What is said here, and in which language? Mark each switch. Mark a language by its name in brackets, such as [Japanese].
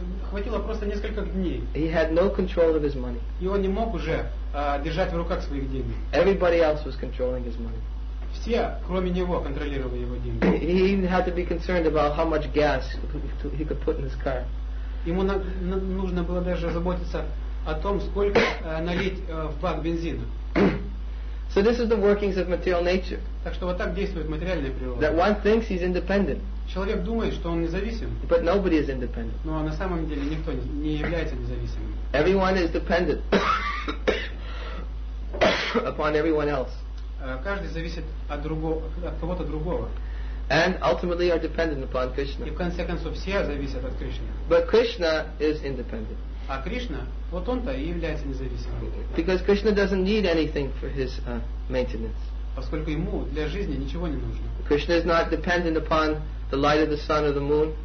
[Russian] Хватило просто нескольких дней. [English] He had no control of his money. [Russian] И он не мог уже держать в руках своих денег. [English] Everybody else was controlling his money. [Russian] Все, кроме него, контролировали его деньги. [English] He even had to be concerned about how much gas he could put in his car. [Russian] Ему нужно было даже заботиться о том, сколько налить в бак бензина. [English] So this is the workings of material nature. [Russian] Так что вот так действует материальная природа. [English] That one thinks he's independent. [Russian] Человек думает, что он независим. [English] But nobody is independent. [Russian] Но на самом деле никто не является независимым. [English] Everyone is dependent upon everyone else. [Russian] Каждый зависит от кого-то другого. [English] And ultimately are dependent upon Krishna. [Russian] И в конце концов все зависят от Кришны. [English] But Krishna is independent. [Russian] А Кришна, вот он-то и является независимым. [English] Because Krishna doesn't need anything for his maintenance. [Russian] Поскольку ему для жизни ничего не нужно. [English] Krishna is not dependent upon the light of the sun or the moon.